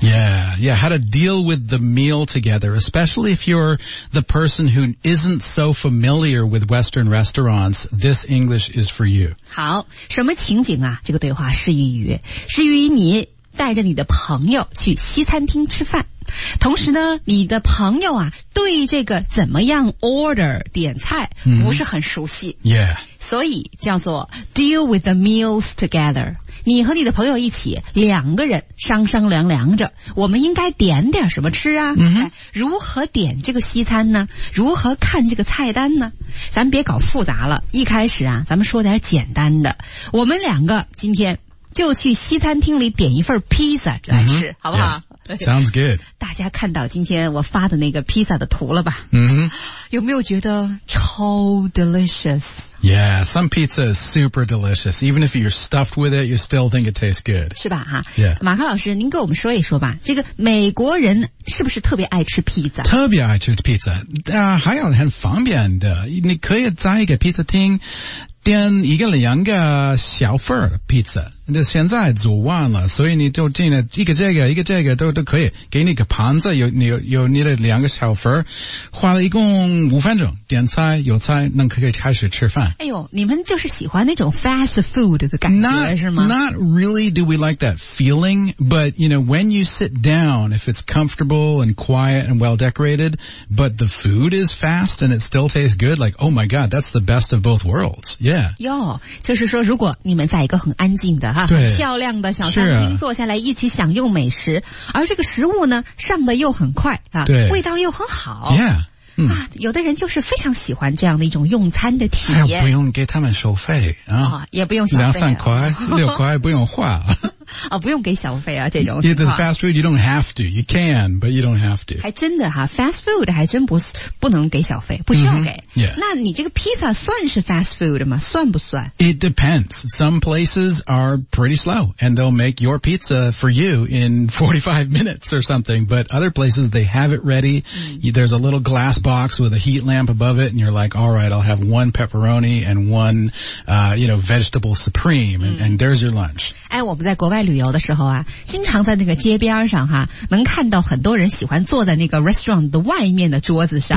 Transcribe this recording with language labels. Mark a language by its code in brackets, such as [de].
[en] Yeah, how to deal with the meal together, especially if you're the person who isn't so familiar with Western restaurants, this English is for you. [zh] 好，什么情景啊？这个对话适于你带着你的朋友去西餐厅吃饭，同时呢，你的朋友啊，对这个怎么样 order 点菜不是很熟悉。 [en] Mm-hmm. Yeah. [zh] 所以叫做 [en] deal with the meals together. [zh] 你和你的朋友一起两个人商商量量着我们应该点点什么吃啊、嗯、如何点这个西餐呢，如何看这个菜单呢，咱别搞复杂了，一开始啊咱们说点简单的，我们两个今天就去西餐厅里点一份披萨来吃、嗯、好不好、 [en] yeah. Sounds good. [zh] 大家看到今天我发的那个披萨的图了吧、嗯、有没有觉得超 delicious [en] Yeah, some pizza is super delicious. Even if you're stuffed with it, you still think it tastes good. [zh] 是吧、啊、 [en] Yeah. [zh] 马克老师您给我们说一说吧，这个美国人是不是特别爱吃披萨？特别爱吃披萨、还有很方便的，你可以在一个披萨厅点一个两个小份的披萨，现在煮完了，所以你就进了一个这个一个这个都可以，给你个盘子，有你的两个小份，花了一共5分钟点菜，有菜那可以开始吃。哎呦，你们就是喜欢那种 fast food 的感觉是吗？ [en] Not really do we like that feeling, but you know, when you sit down, if it's comfortable and quiet and well decorated, but the food is fast and it still tastes good, like, oh my god, that's the best of both worlds. Yeah. [zh] 哟，就是说如果你们在一个很安静的哈，很漂亮的小餐厅、啊、坐下来一起享用美食，而这个食物呢上的又很快啊，对，味道又很好。 [en] Yeah. [zh] 啊，有的人就是非常喜欢这样的一种用餐的体验。不用给他们收费啊、哦，也不用小费、啊，2-3块、6块不用花。啊、哦，不用给小费啊，这种。 [en] Yeah, this fast food you don't have to. You can, but you don't have to. [zh] 还真的哈 ，fast food 还真不能给小费，不需要给。 [en] Mm-hmm. Yeah. [zh] 那你这个披萨算是 fast food 吗？算不算 [en] ？It depends. Some places are pretty slow, and they'll make your pizza for you in 45 minutes or something. But other places they have it ready.、 Mm-hmm. There's a little glass box with a heat lamp above it, and you're like, all right, I'll have one pepperoni and one, vegetable supreme, and there's your lunch. [zh] 哎，我们在国外旅游的时候啊，经常在那个街边上哈、啊，能看到很多人喜欢坐在那个 restaurant 的外面的桌子上。